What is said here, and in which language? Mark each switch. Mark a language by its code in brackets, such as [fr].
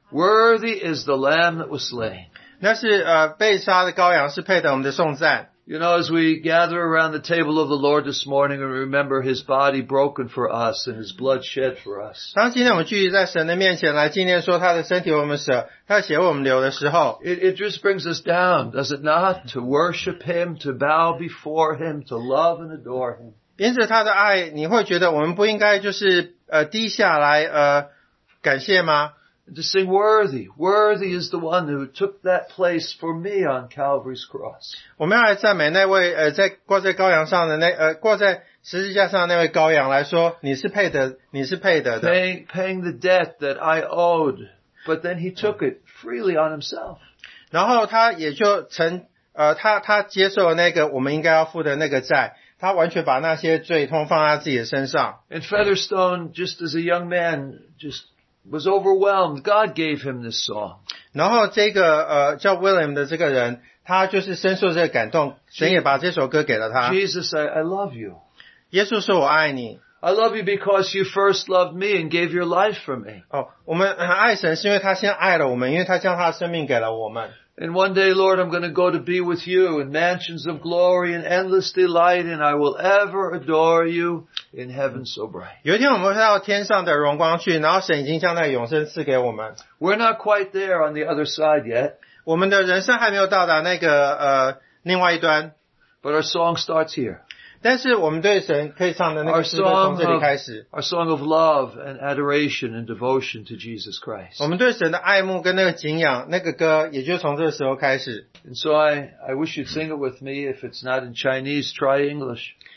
[en] Worthy is the Lamb that was slain. [zh] 那是被杀的羔羊是配得我们的颂赞。 [en] You know, as we gather around the table of the Lord this morning and remember His body broken for us and His blood shed for us. [zh] 当今天我们聚集在神的面前来纪念说他的身体为我们舍，他的血为我们流的时候， [en] it just brings us down, does it not? To worship Him, to bow before Him, to love and adore Him. [zh] 因着他的爱，你会觉得我们不应该就是低下来感谢吗？ [en] To sing worthy. Worthy is the one who took that place for me on Calvary's cross. [zh] 我们要来赞美那位在挂在羔羊上的那挂在十字架上那位羔羊来说，你是配得，你是配得的。 [en] Paying the debt that I owed, but then he took it freely on himself. [zh] 然后他也就承，他接受了那个我们应该要付的那个债，他完全把那些罪痛放在自己的身上。 [en] And Featherstone, just as a young man, just was overwhelmed. God gave him this song. [zh] 然后这个叫 William 的这个人, 他就是深受这个感动, 神也把这首歌给了他。 [en] Jesus, I love you. [zh] 耶稣说我爱你。 [en] I love you because you first loved me and gave your life for me. [zh] 我们爱神是因为他先爱了我们, 因为他将他的生命给了我们。 [en] And one day, Lord, I'm going to go to be with you in mansions of glory and endless delight, and I will ever adore you in heaven so bright. [zh] 有一天我们会到天上的荣光去，然后神已经将那永生赐给我们。 [en] We're not quite there on the other side yet. [zh] 我们的人生还没有到达那个另外一端。 [en] But our song starts here. [zh] 但是我们对神可以唱的那个诗歌从这里开始。 [en] Our song of love and adoration and devotion to Jesus Christ. [zh] 我们对神的爱慕跟那个敬仰，那个歌也就从这个时候开始。 [en] And so I wish you'd sing it with me. If it's not in Chinese, try English.